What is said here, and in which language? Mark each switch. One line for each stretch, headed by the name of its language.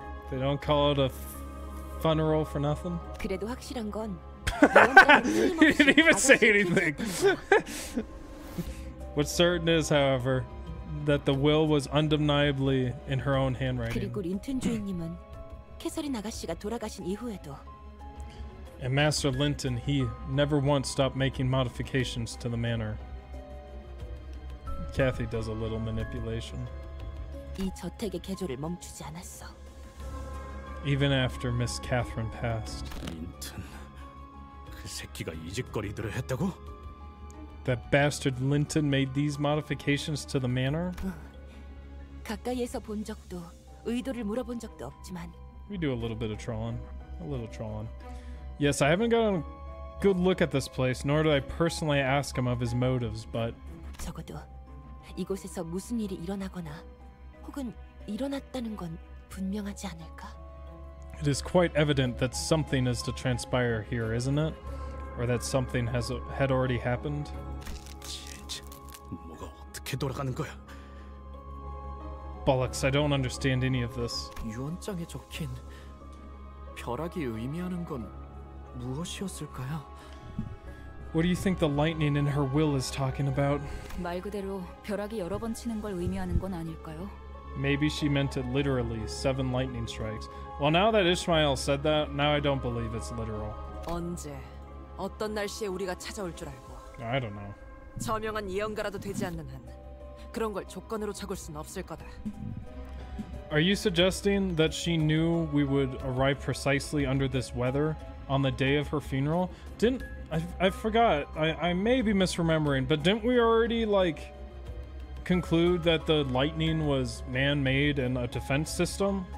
English: They don't call it a funeral for nothing.
Korean: 그래도 확실한 건.
English: He didn't even say anything. What's certain is, however, that the will was undeniably in her own handwriting.
Korean: 그리고 린튼 주인님은 캐서린 아가씨가 돌아가신 이후에도.
English: And Master Linton, he never once stopped making modifications to the manor. Kathy does a little manipulation.
Korean: 이 저택의 개조를 멈추지 않았어.
English: Even after Miss Catherine passed.
Korean: Linton, 그 새끼가 이 짓거리들을 했다고?
English: That bastard Linton made these modifications to the manor?
Korean: 가까이에서 본 적도 의도를 물어본 적도 없지만.
English: We do a little bit of trolling, a little trolling. Yes, I haven't gotten a good look at this place, nor do I personally ask him of his motives, but
Korean: 적어도 이곳에서 무슨 일이 일어나거나 혹은 일어났다는 건 분명하지 않을까?
English: It is quite evident that something is to transpire here, isn't it? Or that something had already happened?
Korean: 진짜 뭐가 어떻게 돌아가는 거야?
English: Bollocks, I don't understand any of this.
Korean: 유언장에 적힌 벼락이 의미하는 건 무엇이었을까요?
English: What do you think the lightning in her will is talking about?
Korean: 말 그대로 벼락이 여러 번 치는 걸 의미하는 건 아닐까요?
English: Maybe she meant it literally, 7 lightning strikes. Well, now that Ishmael said that, now I don't believe it's literal.
Korean: 언제 어떤 날씨에 우리가 찾아올 줄 알고.
English: I don't know.
Korean: 저명한 예언가라도 되지 않는 한 그런 걸 조건으로 적을 순 없을 거다.
English: Are you suggesting that she knew we would arrive precisely under this weather? On the day of her funeral? I may be misremembering, but didn't we already, like, conclude that the lightning was man-made and a defense system?